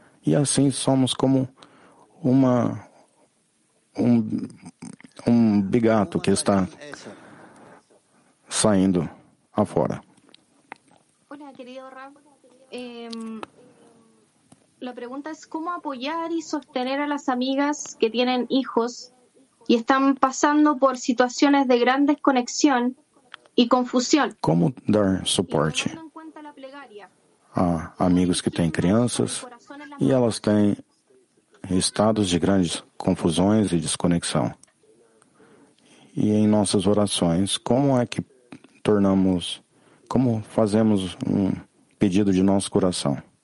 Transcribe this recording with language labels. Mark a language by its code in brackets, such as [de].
[pt] E assim somos como um bigato que está saindo afora. Olá, querido Rafa. A pergunta é como apoiar e [es] sostener a las amigas que tienen hijos y están pasando por situaciones de gran desconexión y confusión. [pt] ¿Cómo dar suporte a amigos que têm crianças e elas têm estados de grandes confusões e desconexão? E em nossas orações, como é que tornamos, como fazemos um pedido de nosso coração?